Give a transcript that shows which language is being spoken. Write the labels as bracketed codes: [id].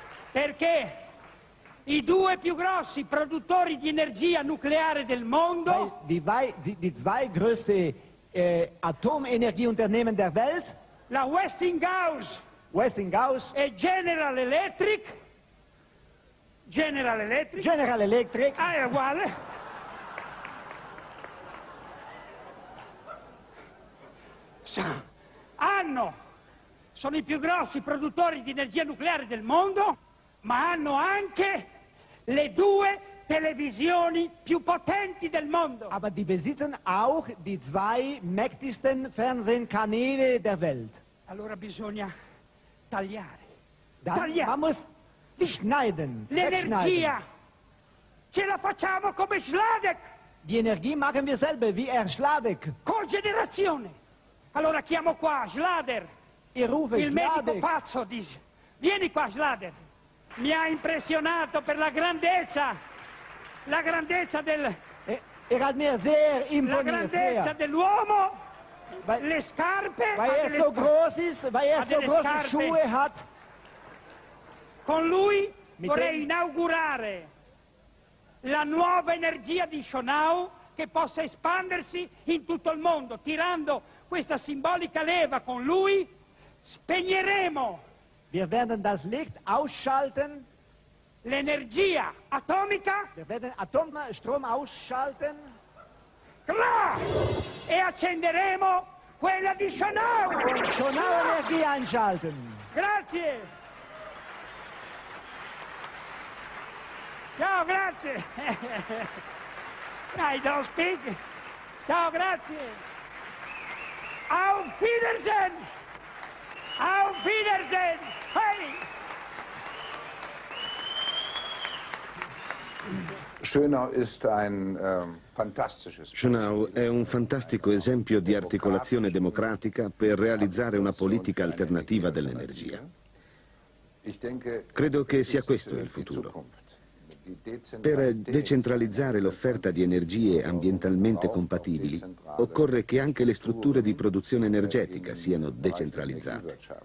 [it] Perché i due più grossi produttori di energia nucleare del mondo... [de] Die zwei größte Atomenergieunternehmen der Welt, [it] la Westinghouse, [de] Westinghouse [it] e General Electric, General Electric, General Electric, ah, è uguale, sono i più grossi produttori di energia nucleare del mondo, ma hanno anche le due televisioni più potenti del mondo. [de] Aber die besitzen auch die zwei mächtigsten Fernsehkanäle der Welt. [it] Allora bisogna tagliare. [de] Man muss schneiden. [it] L'energia ce la facciamo come Schladek. [de] Die Energie machen wir selber wie er Schladek. [it] Cogenerazione. Allora chiamo qua Schlader. [de] Ich rufe [it] il Schladek. Medico pazzo dice: vieni qua Schlader. Mi ha impressionato per la grandezza. La grandezza del [de] Er hat mir sehr imponiert. [it] La grandezza [de] sehr. [it] Dell'uomo, [de] weil, [it] le scarpe, [de] weil er so groß ist, weil er so große Schuhe hat. [it] Con lui vorrei inaugurare la nuova energia di Schonau che possa espandersi in tutto il mondo. Tirando questa simbolica leva con lui, spegneremo. [de] Wir werden das Licht ausschalten. [it] L'energia atomica. [de] Wir werden Atomstrom ausschalten. Klar! [it] E accenderemo quella di Schönau. [de] Schönau Energie einschalten. [it] Grazie. Ciao, grazie. [en] I don't speak. [it] Ciao, grazie. [de] Auf Wiedersehen. Auf Wiedersehen. Hey. Schönau ist ein fantastisches. [it] Schönau è un fantastico esempio di articolazione democratica per realizzare una politica alternativa dell'energia. Credo che sia questo il futuro. Per decentralizzare l'offerta di energie ambientalmente compatibili, occorre che anche le strutture di produzione energetica siano decentralizzate.